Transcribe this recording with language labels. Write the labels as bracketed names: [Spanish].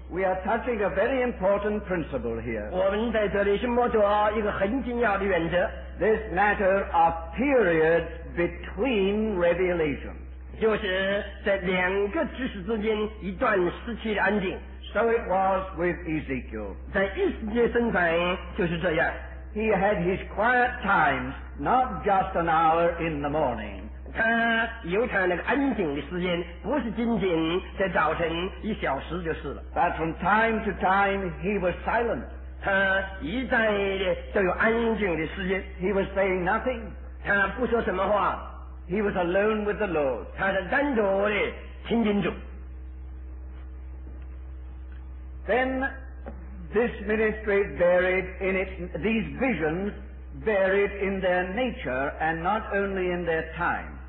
[English] We are touching a very important principle here. [Chinese] 我们在这里是摸着一个很重要的原则。 [English] This matter of period between revelations. [Chinese] 就是在两个知识之间一段时期的安静。 [English] So it was with Ezekiel. [Chinese] 在以色列身上就是这样。 [English] He had his quiet times, not just an hour in the morning. [Chinese] 他有他那个安静的时间，不是仅仅在早晨一小时就是了。 [English] But from time to time, he was silent. [Chinese] 他一再都有安静的时间。 [English] He was saying nothing. [Chinese] 他不说什么话。 [English] He was alone with the Lord. [Chinese] 他是单独的亲近主。 [English] Then this ministry varied in its, these visions varied in their nature and not only in their time.